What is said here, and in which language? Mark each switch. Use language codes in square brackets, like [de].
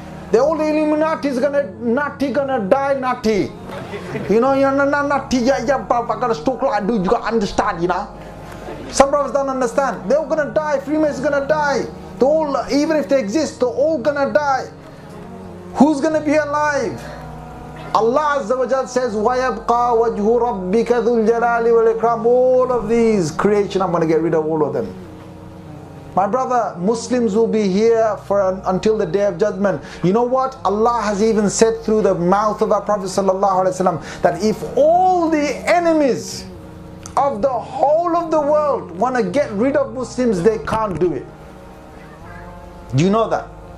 [en] The old Illuminati is gonna die nutty. You know, you're not nutty, yeah, brother. I got a stroke like I do, you gotta understand, you know. Some brothers don't understand. They're all gonna die, Freemasons are gonna die. They're all, even if they exist, they're all gonna die. Who's gonna be alive? Allah Azza wa Jal says, [ar] وَيَبْقَى وَجْهُ رَبِّكَ ذُو الْجَلَالِ وَالْإِكْرَامِ. [en] All of these creation, I'm going to get rid of all of them. My brother, Muslims will be here until the Day of Judgment. You know what? Allah has even said through the mouth of our Prophet Sallallahu Alaihi Wasallam that if all the enemies of the whole of the world want to get rid of Muslims, they can't do it. Do you know that?